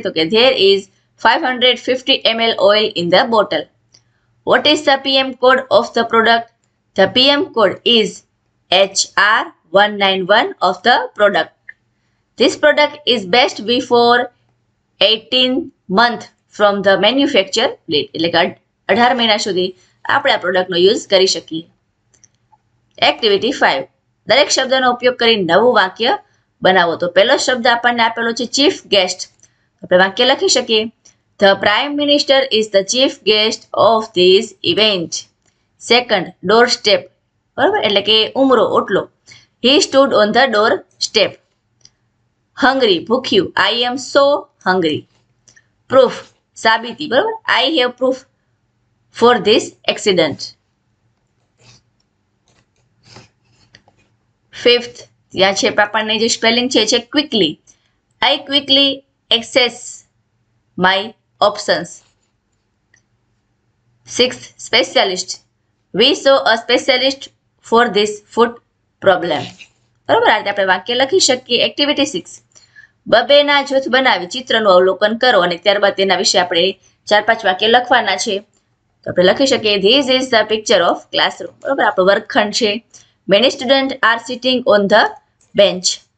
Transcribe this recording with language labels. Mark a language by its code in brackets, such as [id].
[gu] તો કે [en] there is 550 ml oil in the bottle. What is the PM code of the product? The PM code is HR191 of the product. This product is best before 18 month from the manufacture date. [gu] એટલે કે 18 મહિના સુધી આપણે આ પ્રોડક્ટનો use કરી શકીએ. Activity 5. દરેક શબ્દનો ઉપયોગ કરી નવું વાક્ય બનાવો. તો પહેલો શબ્દ આપણને આપેલો છે ચીફ ગેસ્ટ. આપણે વાક્ય લખી શકીએ, [en] The prime minister is the chief guest of this event. [gu] Second, door step, બરાબર, એટલે કે ઉમરો, ઓટલો. [en] He stood on the doorstep. Hungry, ભૂખ્યું. I am so hungry. Proof, [gu] સાબિતી, બરાબર. [en] I have proof for this accident. [gu] Fifth, ત્યાં છે આપણને જે સ્પેલિંગ છે quickly. [en] I quickly assess my options. Sixth, specialist. We saw a specialist for this foot problem. [gu] બરોબર, આ રીતે આપણે વાક્ય લખી શકીએ. એક્ટિવિટી 6, બબેના જૂથ બનાવી ચિત્રનું અવલોકન કરો અને ત્યારબાદ તેના વિશે આપણે ચાર પાંચ વાક્ય લખવાના છે. તો આપણે લખી શકીએ, [en] This is the picture of classroom. [gu] બરોબર, આપણો વર્ગખંડ છે. [en] Many student are sitting on the bench.